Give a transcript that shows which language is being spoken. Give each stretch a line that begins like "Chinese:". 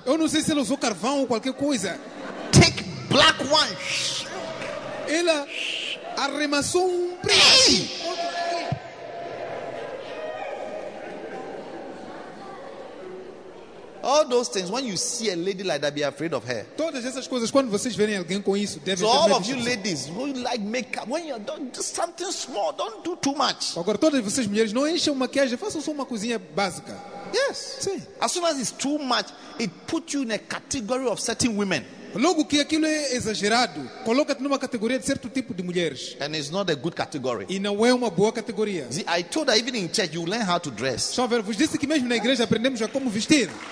Portuguese: Eu não sei se ela usou carvão ou qualquer coisa.
English: Take black one.
Portuguese: Ela arremassou preto.
English: All those things, when you see a lady like that, be afraid of her.
Portuguese: Todas essas coisas, quando vocês verem alguém com isso, devem
English: so all of you ladies, who like makeup, when you're done, do something small, don't do too much.
Portuguese: Agora, todas vocês mulheres, não enchem maquiagem, façam só uma coisinha básica.
English: Yes.
Portuguese: Sim.
English: As soon as it's too much, it puts you in a category of certain women.
Portuguese: Logo que aquilo é exagerado, coloca-te numa categoria de certo tipo de mulheres.
English: And it's not a good category.
Portuguese: E não é uma boa categoria.
English: See, I told her, even in church, you learn how to dress.
Portuguese: Só ver, vos disse que mesmo na igreja aprendemos já como vestir.